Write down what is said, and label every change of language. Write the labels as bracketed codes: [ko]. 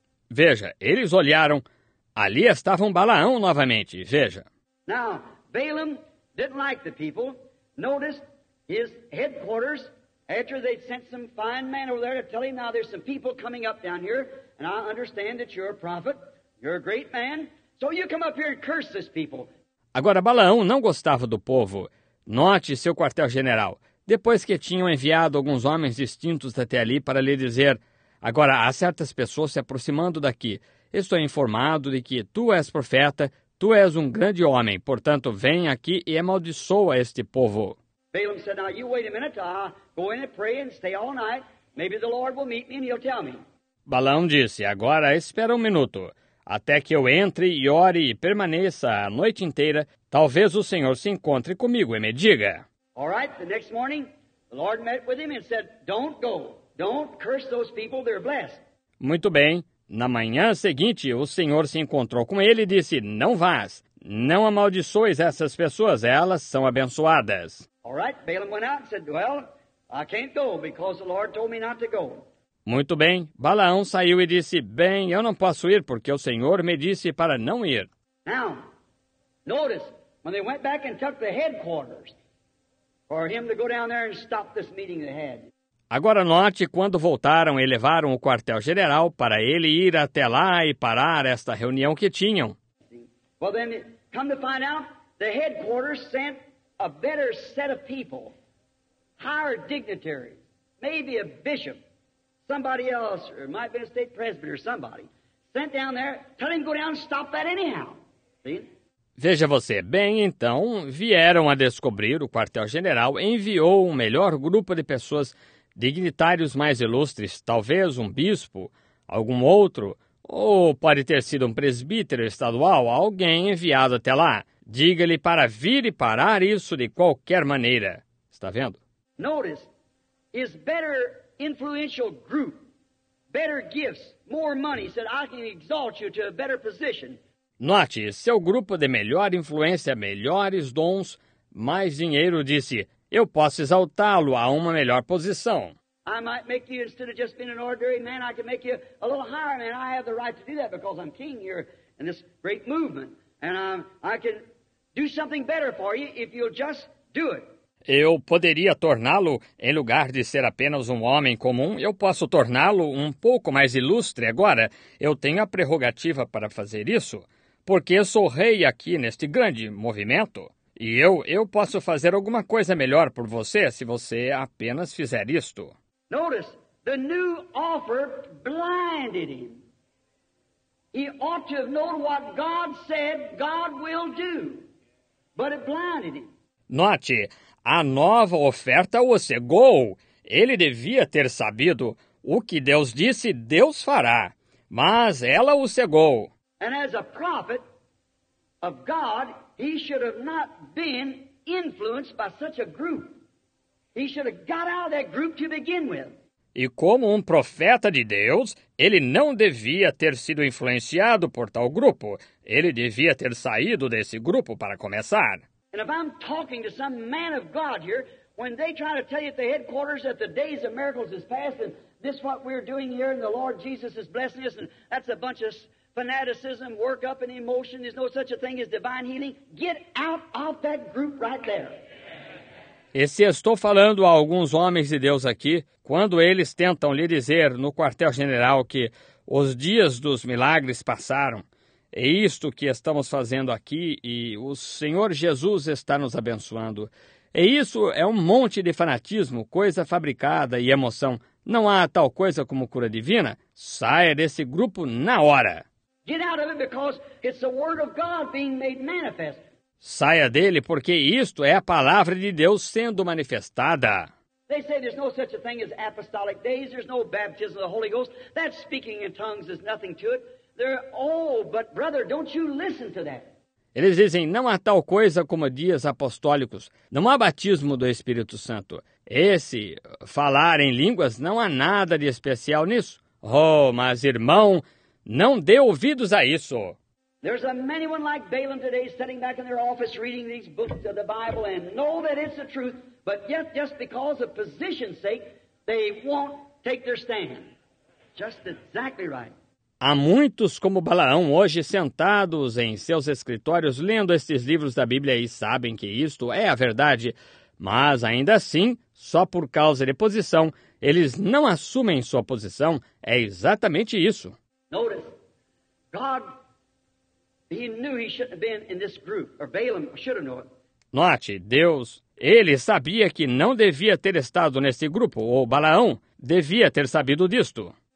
[pt] Veja, eles olharam. Ali estava um Balaão novamente, veja. [en] Now, Balaam didn't like the people. Notice his headquarters, after they'd sent some fine man over there to tell him, now there's some people coming up down here, and I understand that you're a prophet, you're a great man. So you come up here and curse this people. [pt] Agora, Balaão não gostava do povo. Note seu quartel-general. Depois que tinham enviado alguns homens distintos até ali para lhe dizer, agora, há certas pessoas se aproximando daqui. Estou informado de que tu és profeta, tu és um grande homem. Portanto, vem aqui e amaldiçoa este povo. [en] Balaam said, now you wait a minute. I'll go in and pray and stay all night. Maybe the Lord will meet me and he'll tell me. [pt] Balaão disse, agora espera um minuto. Até que eu entre e ore e permaneça a noite inteira, talvez o Senhor se encontre comigo e me diga. [en] All right, the next morning, the Lord met with him and said, don't go, don't curse those people, they're blessed. [pt] Muito bem, na manhã seguinte, o Senhor se encontrou com ele e disse, não vás, não amaldiçoes essas pessoas, elas são abençoadas. [en] All right, Balaam went out and said, well, I can't go because the Lord told me not to go. [pt] Muito bem, Balaão saiu e disse, bem, eu não posso ir porque o Senhor me disse para não ir. [en] Now, notice, when they went back and took the headquarters for him to go down there and stop this meeting they had. [pt] Agora note, quando voltaram e levaram o quartel-general para ele ir até lá e parar esta reunião que tinham. [en] Well, then, come to find out, the headquarters sent a better set of people, higher dignitaries, maybe a bishop. Somebody else, or it might be a state presbyter, somebody, sent down there, tell him to go down and stop that anyhow. See? [pt] Veja você, bem, então, vieram a descobrir, o quartel-general enviou um melhor grupo de pessoas, dignitários mais ilustres, talvez um bispo, algum outro, ou pode ter sido um presbítero estadual, alguém enviado até lá. Diga-lhe para vir e parar isso de qualquer maneira. Está vendo? [en] Notice, is better influential group, better gifts, more money, said I can exalt you to a better position. [pt] Note, seu grupo de melhor influência, melhores dons, mais dinheiro, disse, eu posso exaltá-lo a uma melhor posição. [en] I might make you, instead of just being an ordinary man, I can make you a little higher man. I have the right to do that because I'm king here in this great movement. And I can do something better for you if you'll just do it. [pt] Eu poderia torná-lo, em lugar de ser apenas um homem comum, eu posso torná-lo um pouco mais ilustre agora. Eu tenho a prerrogativa para fazer isso, porque eu sou rei aqui neste grande movimento. E eu posso fazer alguma coisa melhor por você se você apenas fizer isto. [en] Notice, the new offer blinded him. He ought to have known what God said God will do, but it blinded him. [pt] Note, a nova oferta o cegou. Ele devia ter sabido o que Deus disse, Deus fará, mas ela o cegou. [en] And as a prophet of God, he should have not been influenced by such a group. He should have got out of that group to begin with. [pt] E como profeta de Deus, ele não devia ter sido influenciado por tal grupo. Ele devia ter saído desse grupo para começar. [en] And if I'm talking to some man of God here, when they try to tell you at the headquarters that the days of miracles is past, and this is what we're doing here, and the Lord Jesus is blessing us, and that's a bunch of fanaticism, work up and emotion, there's no such a thing as divine healing, get out of that group right there. [pt] E se estou falando a alguns homens de Deus aqui, quando eles tentam lhe dizer no quartel-general que os dias dos milagres passaram, é isto que estamos fazendo aqui e o Senhor Jesus está nos abençoando. E isso é um monte de fanatismo, coisa fabricada e emoção. Não há tal coisa como cura divina. Saia desse grupo na hora. [en] Get out of it because it's the word of God being made manifest. [pt] Saia dele porque isto é a palavra de Deus sendo manifestada. [en] They say there's no such a thing as apostolic days. There's no baptism of the Holy Ghost. That speaking in tongues is nothing to it. But brother, don't you listen to that. [pt] Eles dizem, não há tal coisa como dias apostólicos. Não há batismo do Espírito Santo. Esse falar em línguas, não há nada de especial nisso. Oh, mas irmão, não dê ouvidos a isso. [en] There's a many one like Balaam today, sitting back in their office, reading these books of the Bible, and know that it's the truth, but yet, just because of position's sake, they won't take their stand. Just exactly right. [pt] Há muitos como Balaão hoje sentados em seus escritórios lendo estes livros da Bíblia e sabem que isto é a verdade, mas ainda assim, só por causa de posição, eles não assumem sua posição. É exatamente isso. [en] Notice, God, he knew he shouldn't have been in this group, or Balaam should have known. [pt] Note, Deus, ele sabia que não devia ter estado neste grupo, ou Balaão devia ter sabido disto.